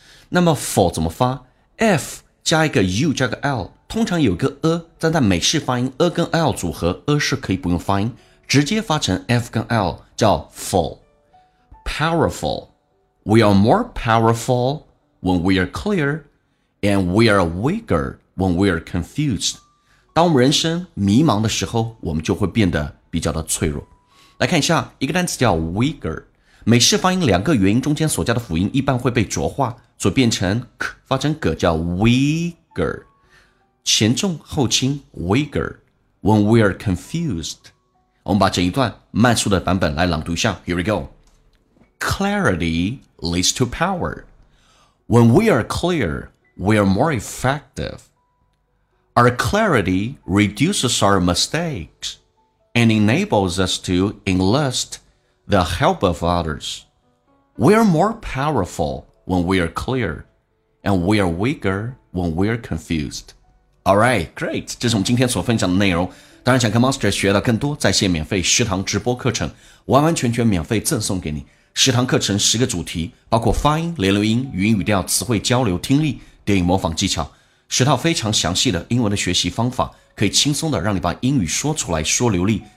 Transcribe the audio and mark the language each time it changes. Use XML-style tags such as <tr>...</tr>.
<zh>那么 for 怎么发？F 加一个 U 加个 L, 通常有个 a, 但在美式发音 a 跟 L 组合 a 是可以不用发音，直接发成 F 跟 L 叫 full. Powerful.</zh> <en>We are more powerful when we are clear and we are weaker when we are confused.</en> <zh>当我们人生迷茫的时候，我们就会变得比较的脆弱。来看一下一个单词叫 weaker。美式发音两个元音中间所加的辅音一般会被浊化，所变成 k 发成 g 叫 weaker， 前重后轻 weaker。</zh> <en>When we are confused，</en> <zh>我们把整一段慢速的版本来朗读一下。</zh> <en>Here we go. Clarity leads to power. When we are clear, we are more effective. Our clarity reduces our mistakes and enables us to enlist. The help of others. We are more powerful when we are clear, and we are weaker when we are confused. All right, great.</en> <zh>这是我们今天所分享的内容。当然，想跟 Monster 学到更多，在线免费食堂直播课程，完完全全免费赠送给你。食堂课程十个主题，包括发音、连读音、语音语调、词汇交流、听力、电影模仿技巧，十套非常详细的英文的学习方法，可以轻松的让你把英语说出来，说流利。</zh>